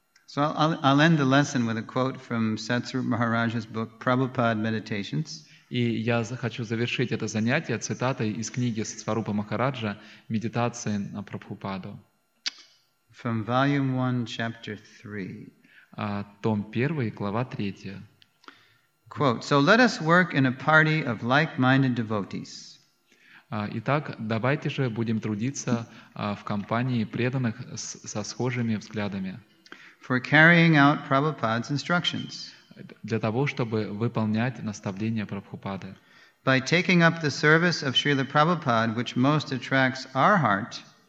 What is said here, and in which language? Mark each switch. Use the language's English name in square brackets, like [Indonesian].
[English] So I'll end the lesson with a quote from Satsarupa Maharaj's book Prabhupada Meditations. [Russian] И я хочу завершить это занятие цитатой из книги Сварупа Махараджа «Медитации на Прабхупаду». [English] From volume 1, chapter 3. [Russian] Том 1, глава 3. [English] Quote, "So let us work in a party of like-minded devotees." [Russian] Итак, давайте же будем трудиться в компании преданных со схожими взглядами. [English] For carrying out Prabhupada's instructions. [Russian] Для того, чтобы выполнять наставления Прабхупады. [English] By taking up the service of Srila Prabhupada, which most attracts our heart,